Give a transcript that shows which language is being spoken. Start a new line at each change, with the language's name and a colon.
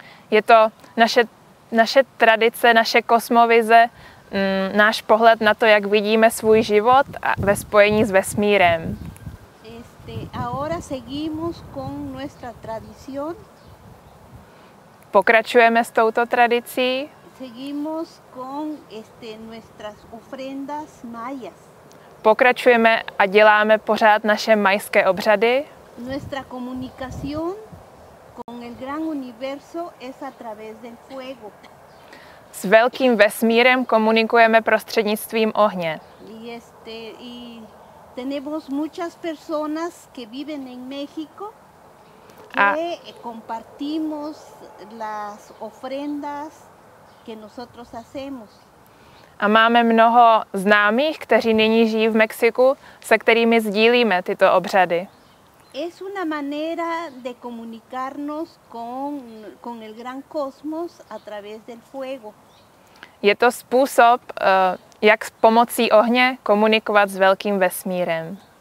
Czech: Je to naše tradice, naše kosmovize, náš pohled na to, jak vidíme svůj život a ve spojení s vesmírem.
Spanish: Ahora seguimos con nuestra tradición.
Czech: Pokračujeme s touto tradicí.
Spanish: Seguimos con nuestras ofrendas mayas.
Czech: Pokračujeme a děláme pořád naše majské obřady.
Spanish: Nuestra comunicación con el gran universo es a través del fuego.
Czech: S velkým vesmírem komunikujeme prostřednictvím ohně.
Spanish: Y tenemos muchas personas que viven en México que compartimos las ofrendas que nosotros hacemos.
Czech: A máme mnoho známých, kteří nyní žijí v Mexiku, se kterými sdílíme tyto obřady.
Spanish: Es una manera de comunicarnos con el gran cosmos a través del fuego.
Czech: Je to způsob, jak s pomocí ohně komunikovat s velkým vesmírem.